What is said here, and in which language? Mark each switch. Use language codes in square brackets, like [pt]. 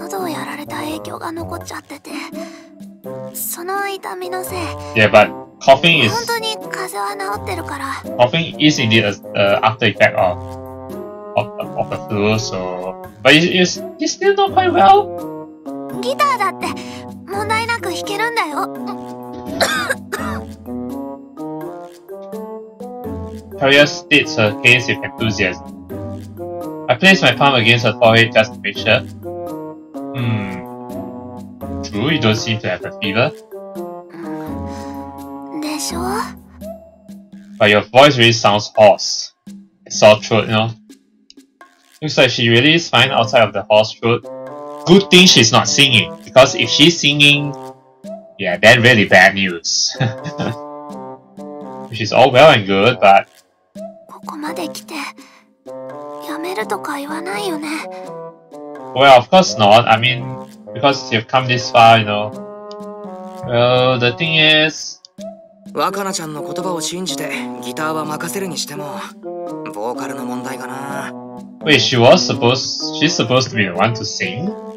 [ja] 喉をやられた影響が残っちゃってて、その痛みのせい。 [en] Yeah, but coughing is [ja] 本当に風邪は治ってるから。 [en] Coughing is indeed a after effect of the flu, so but it's still not quite well. [ja] ギターだって問題なく弾けるんだよ。 [en] Kariya states her case with enthusiasm. I place my palm against her forehead just to make sure. True, you don't seem to have a fever. [ja] でしょ? [en] But your voice really sounds hoarse. Sore throat, you know? Looks like she really is fine outside of the hoarse throat. Good thing she's not singing, because if she's singing, yeah, then really bad news. Which is all well and good, but... [ja] ここまで来て、やめるとか言わないよね。 [en] Well, of course not. I mean, because you've come this far, you know. Well, the thing is... [ja] Wakana-chan の言葉を信じて、ギターは任せるにしても、ボーカルの問題かな。 [en] Wait, she's supposed to be the one to sing?